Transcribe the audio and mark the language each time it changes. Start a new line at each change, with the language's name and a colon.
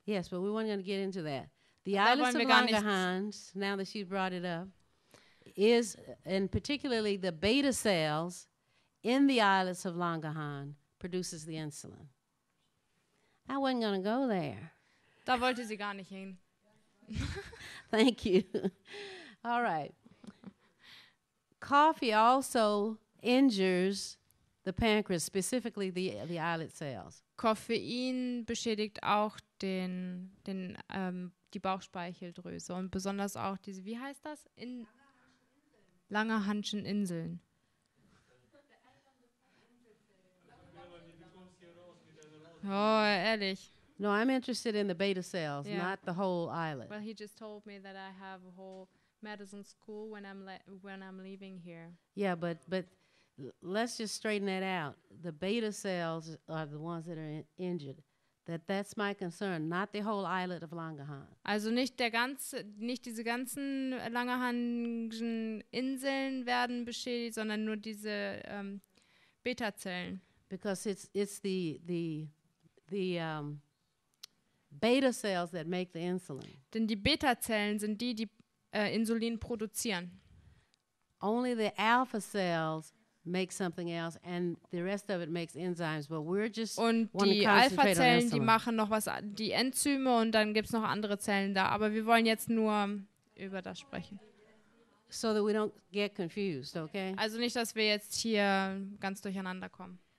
English: Yes, but we weren't going to get into that. The islets of Langerhans, now that she brought it up, is, and particularly the beta cells in the islets of Langerhans produces the insulin. I wasn't going to go there.
German: Da wollte sie gar nicht hin.
English: Thank you. All right. Coffee also injures the pancreas, specifically the islet cells.
German: Koffein beschädigt auch die Bauchspeicheldrüse und besonders auch diese, wie heißt das? In Langerhanschen Inseln. Oh, ehrlich.
English: No, I'm interested in the beta cells, yeah. Not the whole islet. Well, he just told me that I have a whole medicine school when I'm leaving here. Yeah, but let's just straighten that out. The beta cells are the ones that are injured. That's my concern, not the whole islet of Langerhan.
German: Also nicht diese ganzen Langerhanschen Inseln werden beschädigt, sondern nur diese Beta-Zellen.
English: Because it's the beta cells that make the insulin.
German: Denn die Beta-Zellen sind die Insulin produzieren.
English: Only the alpha cells make something else and the rest of it makes enzymes, but we're just
German: und die Alpha-Zellen, die machen noch was, die Enzyme und dann gibt's noch andere Zellen da, aber wir wollen jetzt nur über das sprechen.
English: So that we don't get confused, okay?
German: Also nicht, dass wir jetzt hier ganz durcheinander kommen.